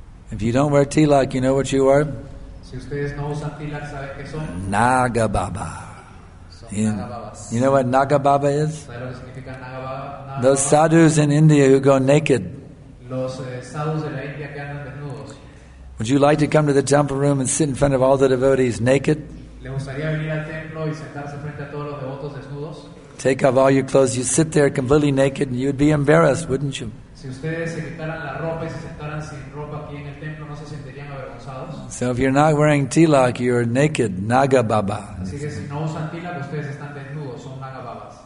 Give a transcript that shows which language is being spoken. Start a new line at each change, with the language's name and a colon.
English: If you don't wear tilak, you know what you are?
Spanish: Si ustedes no usan tilak, ¿sabe qué son?
English: Naga Baba. You know what Naga Baba is?
Spanish: ¿Sabe lo que significa Naga Baba?
English: Those sadhus in India who go naked.
Spanish: Los sadhus de la India que andan desnudos.
English: Would you like to come to the temple room and sit in front of all the devotees naked?
Spanish: ¿Le gustaría venir al templo y sentarse frente a todos los devotos desnudos?
English: Take off all your clothes, you sit there completely naked and you'd be embarrassed, wouldn't you?
Spanish: Si ustedes se quitaran la ropa y se sentaran sin ropa aquí en el templo, ¿no se sentirían avergonzados?
English: So if you're not wearing tilak, you're naked, Naga Baba.
Spanish: Así que si no usan tilak, ustedes están desnudos, son Naga Babas.